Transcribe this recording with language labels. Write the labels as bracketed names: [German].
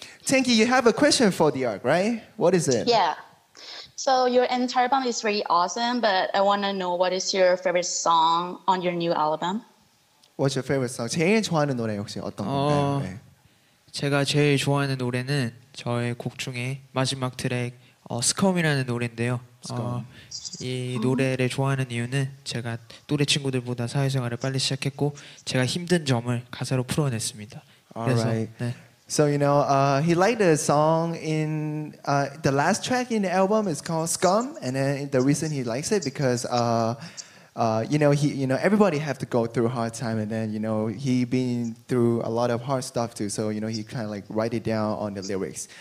[English] Tanky, you have a question for D.Ark, right? What is it? Yeah. So your entire album is really awesome, but I want to know what is your favorite song on your new album? What's your favorite song? [Korean] 제일 좋아하는 노래 혹시 어떤 건가요? 제가 제일 좋아하는 노래는 저의 곡 중에 마지막 트랙 스컴이라는 노래인데요. 이 노래를 좋아하는 이유는 제가 또래 친구들보다 사회생활을 빨리 시작했고 제가 힘든 점을 가사로 풀어냈습니다. All 그래서, right. 네. [English] So, you know, he liked the song in the last track in the album is called Scum. And then the reason he likes it because, you know, everybody have to go through a hard time. And then, you know, he been through a lot of hard stuff too. So, you know, he kind of like write it down on the lyrics.